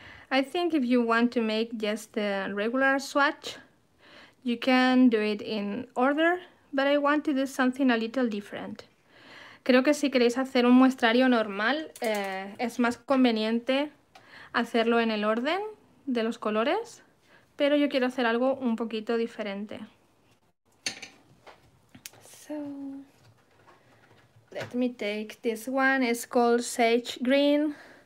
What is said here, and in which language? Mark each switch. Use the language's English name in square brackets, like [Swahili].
[English] I think if you want to make just the regular swatch, you can do it in order, but I want to do something a little different. [Spanish] Creo que si queréis hacer un muestrario normal, es más conveniente hacerlo en el orden de los colores, pero yo quiero hacer algo un poquito diferente. [English] So, let me take this one, it's called Sage Green.